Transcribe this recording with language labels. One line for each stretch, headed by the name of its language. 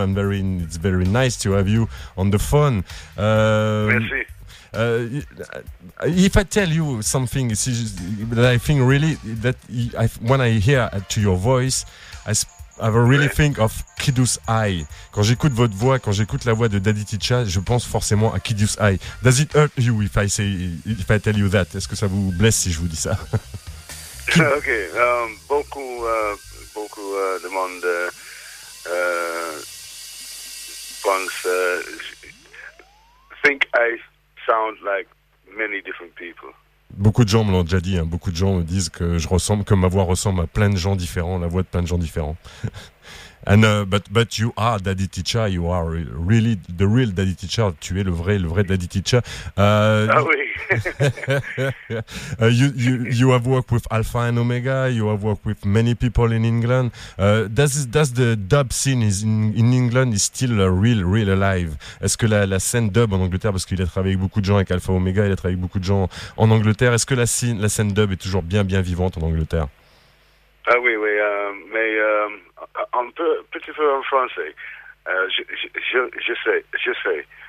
English: It's very nice to have you on the phone.
French: Merci.
English: If I tell you something, I think really that when I hear to your voice, I really think of Kiddush Eye.
French: Quand j'écoute votre voix, quand j'écoute la voix de Daditya, je pense forcément à Kiddush Eye.
English: Does it hurt you if I tell you that?
French: Est-ce que ça vous blesse si je vous dis ça? Ok, beaucoup de monde pense
English: I sound like many different people.
French: Beaucoup de gens me l'ont déjà dit, hein. Beaucoup de gens me disent que je ressemble, que ma voix ressemble à plein de gens différents, la voix de plein de gens différents.
English: And but you are Daditya, you are really the real Daditya.
French: Tu es le vrai Daditya. Ah oui.
English: you have worked with Alpha and Omega. You have worked with many people in England. Does the dub scene in England is still real alive?
French: Est-ce que la scène dub en Angleterre, parce qu'il a travaillé avec beaucoup de gens avec Alpha Omega, il a travaillé avec beaucoup de gens en Angleterre. Est-ce que la scène dub est toujours bien vivante en Angleterre? Ah oui, oui, mais un peu, petit peu en français, je sais.